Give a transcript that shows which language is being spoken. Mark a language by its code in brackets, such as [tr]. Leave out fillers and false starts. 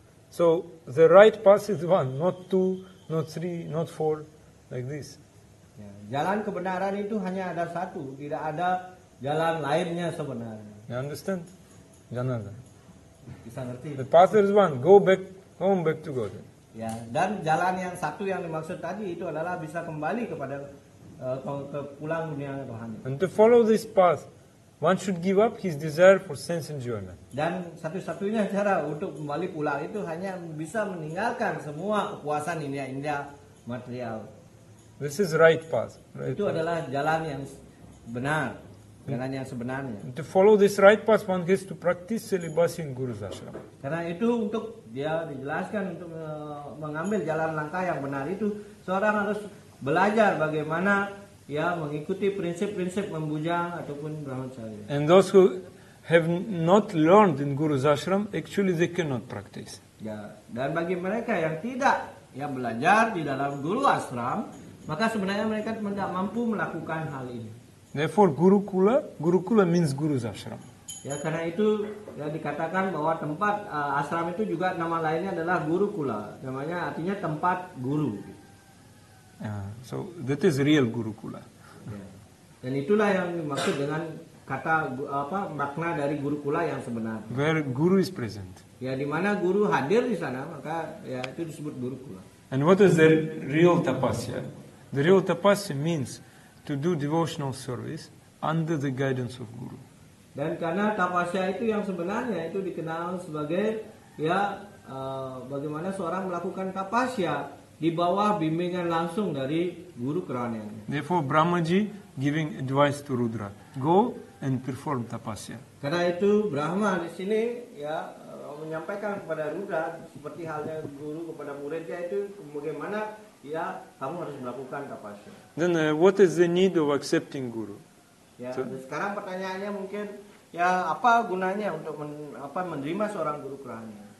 [en] So the right path is one, not two, not three, not four, like this. [id] Ya, jalan kebenaran itu hanya ada satu, tidak ada jalan lainnya sebenarnya. [en] You understand? Janardhan. [id] Bisa ngerti. [en] The path is one. Go back home, back to God. [id] Ya, dan jalan yang satu yang dimaksud tadi itu adalah bisa kembali kepada ke pulang dunia rohani. [en] And to follow this path, One should give up his desire for sense enjoyment. [id] Dan satu-satunya cara untuk kembali pulang itu hanya bisa meninggalkan semua kepuasan indera-indera material. [en] This is right path. Right [id] itu [en] path. [id] Adalah jalan yang benar, jalan yang sebenarnya. [en] And to follow this right path, one has to practice celibacy in Guru's Ashram. [id] Karena itu untuk dia dijelaskan untuk mengambil jalan langkah yang benar itu, seorang harus belajar bagaimana ya mengikuti prinsip-prinsip membujang ataupun brahmacarya. [en] And those who have not learned in Guru's Ashram, actually they cannot practice. [id] Ya, dan bagi mereka yang tidak yang belajar di dalam Guru Ashram, maka sebenarnya mereka tidak mampu melakukan hal ini. [en] Therefore, Gurukula, Gurukula means Guru's Ashram. [id] Ya, karena itu ya, dikatakan bahwa tempat ashram itu juga nama lainnya adalah Gurukula. Namanya artinya tempat guru. [en] So that is real Gurukula. [id] Ya. Dan itulah yang dimaksud dengan kata apa makna dari Gurukula yang sebenarnya. [en] Where guru is present. [id] Ya, di mana guru hadir di sana, maka ya itu disebut Gurukula. [en] And what is the real tapasya? The real tapasya means to do devotional service under the guidance of guru. [id] Dan karena tapasya itu yang sebenarnya itu dikenal sebagai ya bagaimana seorang melakukan tapasya di bawah bimbingan langsung dari guru kerajaan. [en] Therefore, Brahmaji giving advice to Rudra, go and perform tapasya. [id] Karena itu Brahma di sini ya menyampaikan kepada Rudra seperti halnya guru kepada muridnya itu bagaimana. Ya, kamu harus melakukan tapasya. [en] Then what is the need of accepting guru? [id] Ya, so, sekarang pertanyaannya mungkin ya apa gunanya untuk menerima seorang guru kerajaan?